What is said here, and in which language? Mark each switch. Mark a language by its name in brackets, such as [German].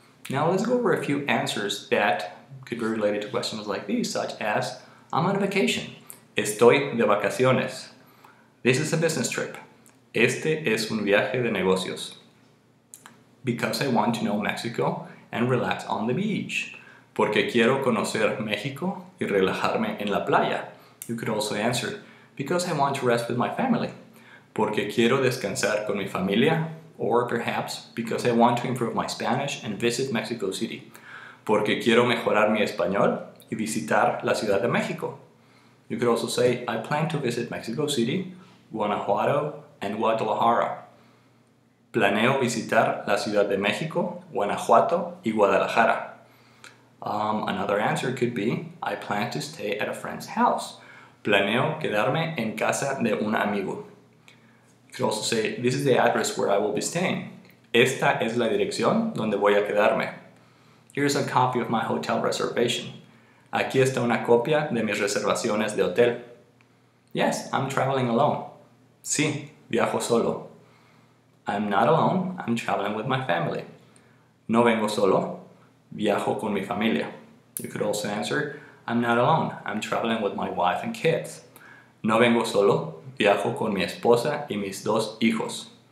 [English] Now let's go over a few answers that could be related to questions like these, such as, I'm on vacation. [Spanish] Estoy de vacaciones. [English] This is a business trip. [Spanish] Este es un viaje de negocios. [English] Because I want to know Mexico and relax on the beach. [Spanish] Porque quiero conocer México y relajarme en la playa. [English] You could also answer, because I want to rest with my family. [Spanish] Porque quiero descansar con mi familia. [English] Or perhaps, because I want to improve my Spanish and visit Mexico City. [Spanish] Porque quiero mejorar mi español y visitar la Ciudad de México. [English] You could also say, I plan to visit Mexico City, Guanajuato, and Guadalajara. [Spanish] Planeo visitar la Ciudad de México, Guanajuato y Guadalajara. [English] Another answer could be, I plan to stay at a friend's house. [Spanish] Planeo quedarme en casa de un amigo. [English] You could also say, this is the address where I will be staying. [Spanish] Esta es la dirección donde voy a quedarme. [English] Here's a copy of my hotel reservation. [Spanish] Aquí está una copia de mis reservaciones de hotel. [English] Yes, I'm traveling alone. [Spanish] Sí, viajo solo. [English] I'm not alone, I'm traveling with my family. [Spanish] No vengo solo, viajo con mi familia. [English] You could also answer, I'm not alone, I'm traveling with my wife and kids. [Spanish] No vengo solo, viajo con mi esposa y mis dos hijos.